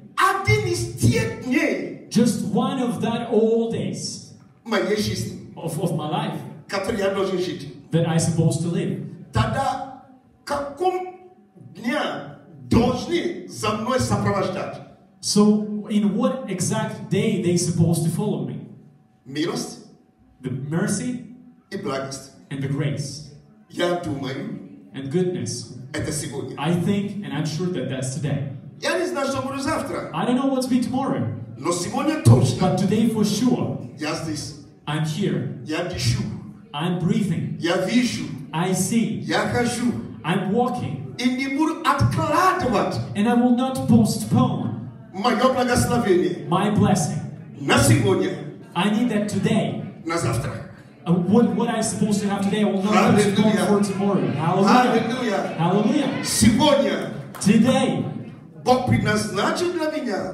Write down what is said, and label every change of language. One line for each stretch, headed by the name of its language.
Russian: Один из тех дней.
English: Just one of that old days.
Russian: Моей жизни.
English: Of my life.
Russian: Который я должен жить.
English: That I supposed to live.
Russian: Тогда каком дня должны за мной сопровождать?
English: So, in what exact day they supposed to follow me?
Russian: Милость.
English: The mercy.
Russian: И благость.
English: And the grace.
Russian: Я думаю.
English: And goodness.
Russian: Это сегодня.
English: I think, and I'm sure that that's today.
Russian: Я не знаю, что будет завтра.
English: I don't know what's be tomorrow.
Russian: Но сегодня точно.
English: But today for sure.
Russian: Я здесь.
English: I'm here.
Russian: Я дышу.
English: I'm breathing.
Russian: Я вижу.
English: I see.
Russian: Я хожу.
English: I'm walking.
Russian: И не буду откладывать.
English: And I will not postpone.
Russian: Мое благословение.
English: My blessing.
Russian: На сегодня.
English: I need that today.
Russian: На завтра.
English: What I'm supposed to have today, I will not postpone for tomorrow. Hallelujah. Hallelujah.
Russian: Сегодня.
English: Today.
Russian: Бог предназначил для меня.